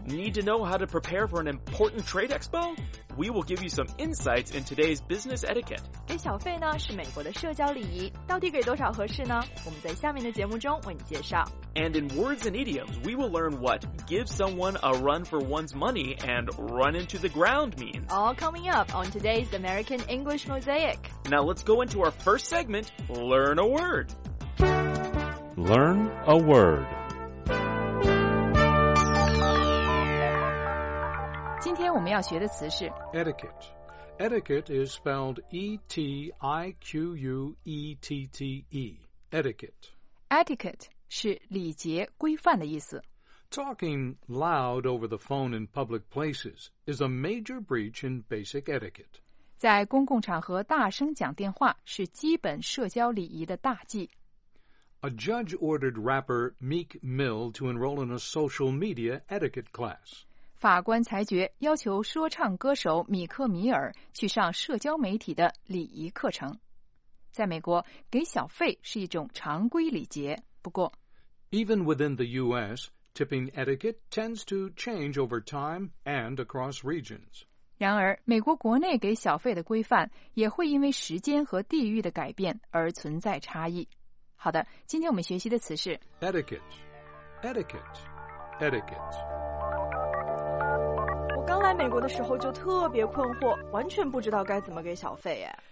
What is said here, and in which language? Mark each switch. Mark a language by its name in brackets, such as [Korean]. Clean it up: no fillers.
[English] Need to know how to prepare for an important trade expo? We will give you some insights in today's business etiquette. [Chinese] 给小费呢是美国的社交礼仪，到底给多少合适呢？我们在下面的节目中为你介绍。 [English] And in words and idioms, we will learn what give someone a run for one's money and run into the ground means. All coming up on today's American English Mosaic. Now let's go into our first segment, Learn a Word. Learn a word. [Chinese] 今天我们要学的词是 [English] etiquette. Etiquette is spelled E-T-I-Q-U-E-T-T-E. Etiquette. [Chinese] Etiquette 是礼节、规范的意思。 [English] Talking loud over the phone in public places is a major breach in basic etiquette. [Chinese] 在公共场合大声讲电话是基本社交礼仪的大忌。 [English] A judge ordered rapper Meek Mill to enroll in a social media etiquette class. [Chinese] 法官裁决要求说唱歌手米克米尔去上社交媒体的礼仪课程。在美国，给小费是一种常规礼节。不过 [English] ，Even within the U.S., tipping etiquette tends to change over time and across regions. [Chinese] 然而，美国国内给小费的规范也会因为时间和地域的改变而存在差异。好的，今天我们学习的词是 [English] etiquette, etiquette, etiquette. [Chinese] 我刚来美国的时候就特别困惑，完全不知道该怎么给小费哎。